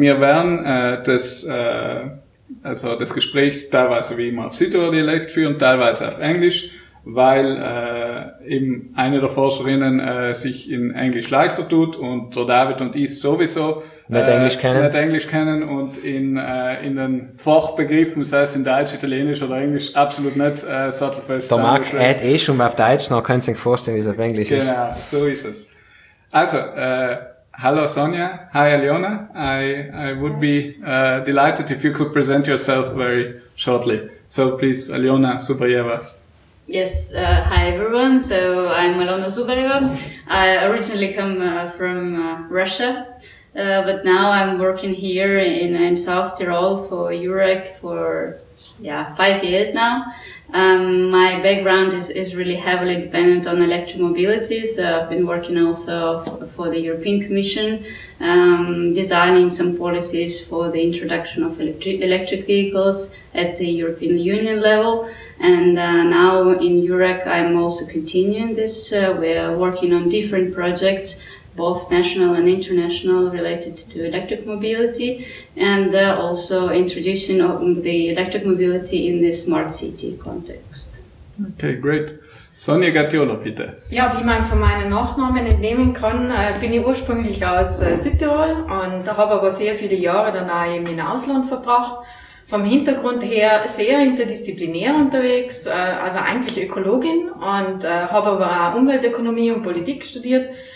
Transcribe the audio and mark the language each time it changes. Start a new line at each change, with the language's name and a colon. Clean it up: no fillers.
German: Wir werden das Gespräch teilweise wie immer auf Südtirol-Dialekt führen, teilweise auf Englisch, weil eben eine der Forscherinnen sich in Englisch leichter tut und der David und ich sowieso nicht Englisch kennen und in den Fachbegriffen, sei es in Deutsch, Italienisch oder Englisch, absolut nicht sattelfest. Der Marc hat eh schon mal auf Deutsch, dann könnt ihr euch vorstellen, wie es auf Englisch genau, ist. Genau, so ist es. Also, hallo Sonja,
English: hi Aliona, I would be delighted if you could present yourself very shortly. So please, Aliona Zubarieva. Yes, hi everyone, so I'm Aliona Zubarieva. I originally come from Russia, but now I'm working here in South Tyrol for EURAG for 5 years now. My background is really heavily dependent on electromobility, so I've been working also for the European Commission, designing some policies for the introduction of electric vehicles at the European Union level. And now in EURAG, I'm also continuing this. We're working on different projects, both national and international, related to electric mobility, and also introducing the electric mobility in the smart city context. Okay, great. Sonja Gattiolo, bitte.
German: Ja, wie man von meinen Nachnamen entnehmen kann, bin ich ursprünglich aus Südtirol und habe aber sehr viele Jahre danach eben im Ausland verbracht. Vom Hintergrund her sehr interdisziplinär unterwegs, also eigentlich Ökologin, und habe aber auch Umweltökonomie und Politik studiert.